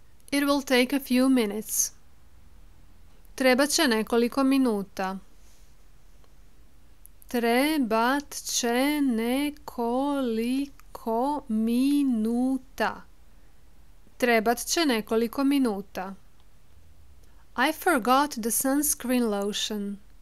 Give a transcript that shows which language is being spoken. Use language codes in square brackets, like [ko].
[en] It will take a few minutes. [hr] Trebat će nekoliko minuta. Trebat će nekoliko minuta. Trebat će nekoliko minuta. [en] I forgot the sunscreen lotion.